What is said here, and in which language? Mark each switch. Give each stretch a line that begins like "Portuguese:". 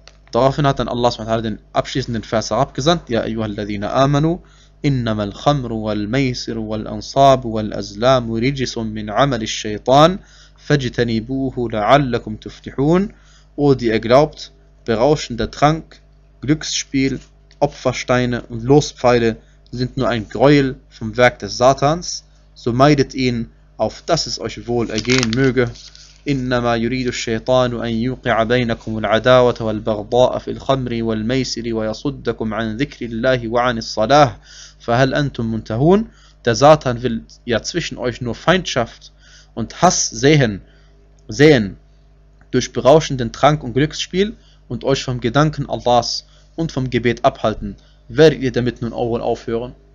German: Daraufhin hat dann Allah subhanahu wa ta'ala den abschließenden Vers herabgesandt,
Arabic: Ya ayyuhal ladhina amanu, إنما الخمر والميسر والأنصاب والأزلام رجس من عمل الشيطان فاجتنبوه لعلكم تفلحون.
German: O, die ihr glaubt, berauschender Trank, Glücksspiel, Opfersteine und Lospfeile sind nur ein Gräuel vom Werk des Satans, so meidet ihn, auf dass es euch wohl ergehen möge.
Arabic: إنما يريد الشيطان أن يوقع بينكم العداوة والبغضاء في الخمر والميسر ويصدكم عن ذكر الله وعن الصلاة فهل أنتم منتهون.
German: Der Satan will ja zwischen euch nur Feindschaft und Hass sehen durch berauschenden Trank und Glücksspiel und euch vom Gedanken Allahs und vom Gebet abhalten. Werdet ihr damit nun wohl aufhören?